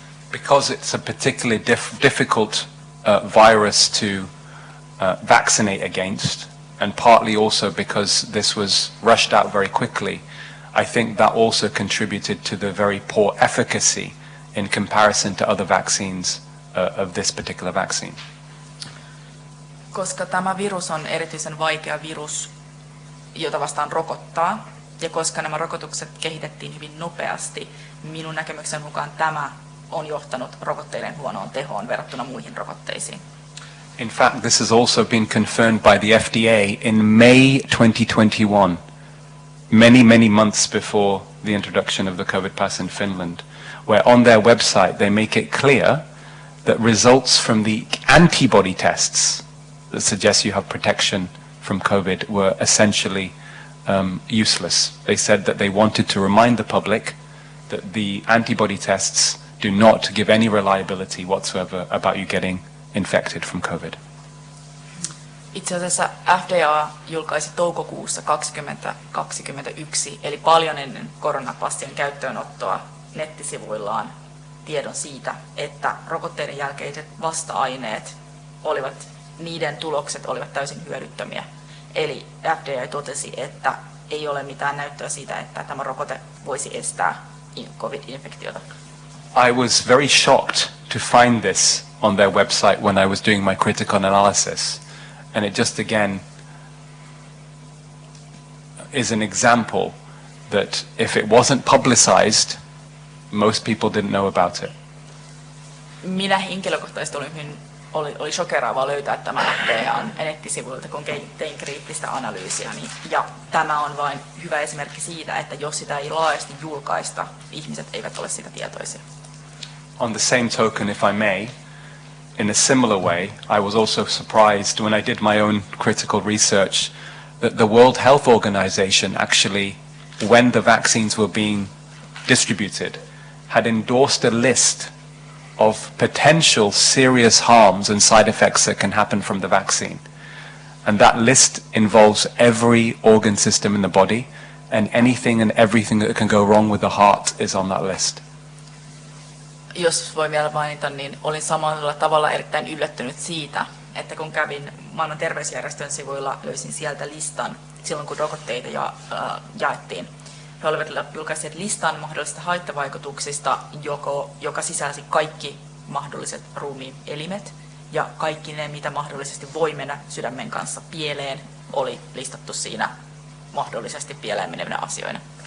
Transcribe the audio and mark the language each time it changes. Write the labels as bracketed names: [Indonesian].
[English] Because it's a particularly difficult virus to vaccinate against, and partly also because this was rushed out very quickly, I think that also contributed to the very poor efficacy in comparison to other vaccines of this particular vaccine. [Finnish] Koska tämä virus on erityisen vaikea virus, jota vastaan rokottaa, ja koska nämä rokotukset kehitettiin hyvin nopeasti, minun näkemykseni mukaan tämä on johtanut rokotteiden huonoon tehoon verrattuna muihin rokotteisiin. [English] In fact, this has also been confirmed by the FDA in May 2021, many, many months before the introduction of the COVID pass in Finland, where on their website they make it clear that results from the antibody tests that suggest you have protection from COVID were essentially useless. They said that they wanted to remind the public that the antibody tests do not give any reliability whatsoever about you getting infected from COVID. [Finnish] Itse asiassa FDA julkaisi toukokuussa 2021, eli paljon ennen koronapassien käyttöönottoa nettisivuillaan, tiedon siitä, että rokotteiden jälkeiset vasta-aineet olivat, niiden tulokset olivat täysin hyödyttömiä. Eli FDA totesi, että ei ole mitään näyttöä siitä, että tämä rokote voisi estää COVID-infektiota. [English] I was very shocked to find this on their website when I was doing my critical analysis, and it just again is an example that if it wasn't publicized, most people didn't know about it. [Finnish] Minä henkilökohtaisesti oli shokeraava löytää tämä FDA:n nettisivuilta, kun tein kriittistä analyysiä, niin, ja tämä on vain hyvä esimerkki siitä, että jos sitä ei laajasti julkaista, ihmiset eivät ole siitä tietoisia. [English] On the same token, if I may, in a similar way, I was also surprised when I did my own critical research that the World Health Organization actually, when the vaccines were being distributed, had endorsed a list of potential serious harms and side effects that can happen from the vaccine. And that list involves every organ system in the body, and anything and everything that can go wrong with the heart is on that list. [Finnish] Jos voi vielä mainita, niin olin samalla tavalla erittäin yllättynyt siitä, että kun kävin maailman terveysjärjestön sivuilla, löysin sieltä listan silloin, kun rokotteita jaettiin. He olivat julkaisseet listan mahdollisista haittavaikutuksista, joka sisälsi kaikki mahdolliset ruumiin elimet ja kaikki ne, mitä mahdollisesti voi mennä sydämen kanssa pieleen, oli listattu siinä mahdollisesti pieleen menevinä asioina.